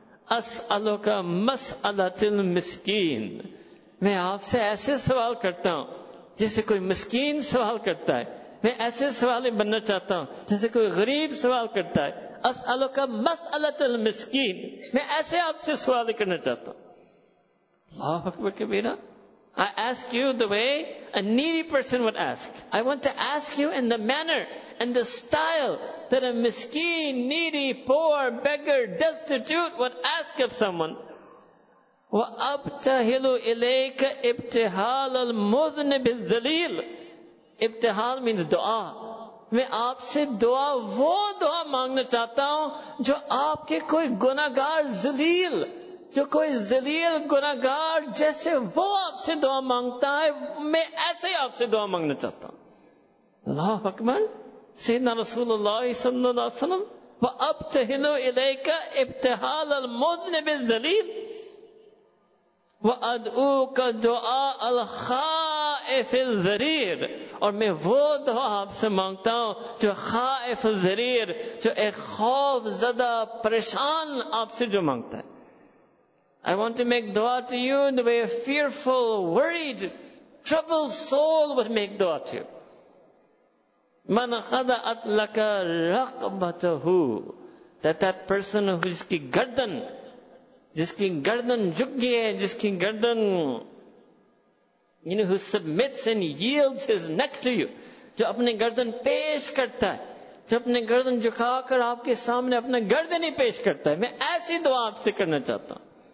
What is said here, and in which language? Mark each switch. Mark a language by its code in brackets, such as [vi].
[ar] اسألك مسألة المسکین, [ur] میں آپ سے ایسے سوال کرتا ہوں جیسے کوئی مسکین سوال کرتا ہے, میں ایسے سوال بننا چاہتا ہوں جیسے کوئی غریب سوال کرتا ہے. [ar] اسألك مسألة المسکین, [ur] میں ایسے آپ سے سوال کرنا چاہتا ہوں. [ar] اللہ اکبر کبیرہ. [en] I ask you the way a needy person would ask. I want to ask you in the manner and the style that a miskeen, needy, poor, beggar, destitute would ask of someone. [ar] وَأَبْتَهِلُ إِلَيْكَ إِبْتِحَالَ الْمُذْنِبِ الذَّلِيلِ. [en] ابتحال means دعا. [ur] میں آپ سے دعا, وہ دعا مانگنا چاہتا ہوں جو آپ کے کوئی گناہگار ذلیل, جو کوئی ذلیل گناہگار جیسے وہ آپ سے دعا مانگتا ہے, میں ایسے ہی آپ سے دعا مانگنا چاہتا ہوں. اللہ اکبر. سیدنا رسول اللہ صلی اللہ علیہ وسلم, [ar] وَأَبْتَهِلُ إِلَيْكَ إِبْتِحَالَ الْمُذْنِبِ الذَّلِيلِ وَأَدْعُوكَ دُعَاءَ الْخَائِفِ الذَّرِيرِ, [ur] اور میں وہ دعا آپ سے مانگتا ہوں جو خائف الذریر, جو ایک خوف زدہ پریشان آپ سے جو مانگتا ہے. [en] I want to make dua to you in the way a fearful, worried, troubled soul would make dua to you. [ar] مَنْ خَدَعَتْ لَكَ رَقْبَتَهُ, [en] that person who, [ur] جس کی گردن جھک گئی ہے, جس کی گردن, [en] you know, who submits and yields his neck to you, [ur] جو اپنے گردن پیش کرتا ہے, جو اپنے گردن جھکا کر آپ کے سامنے اپنا گردن ہی پیش کرتا ہے, میں ایسی دعا آپ سے کرنا چاہتا ہوں.